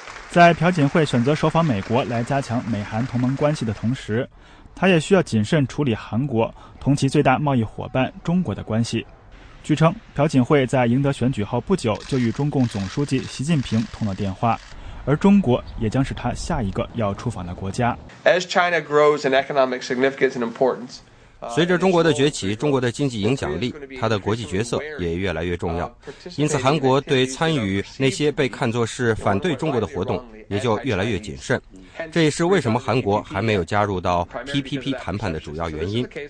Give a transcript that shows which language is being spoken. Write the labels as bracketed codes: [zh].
[zh] 在朴槿惠选择首访美国来加强美韩同盟关系的同时，他也需要谨慎处理韩国同其最大贸易伙伴中国的关系。据称，朴槿惠在赢得选举后不久就与中共总书记习近平通了电话，而中国也将是他下一个要出访的国家。 [en] As China grows in economic significance and importance, [zh] 随着中国的崛起，中国的经济影响力，它的国际角色也越来越重要，因此韩国对参与那些被看作是反对中国的活动也就越来越谨慎，这也是为什么韩国还没有加入到 TPP 谈判的主要原因。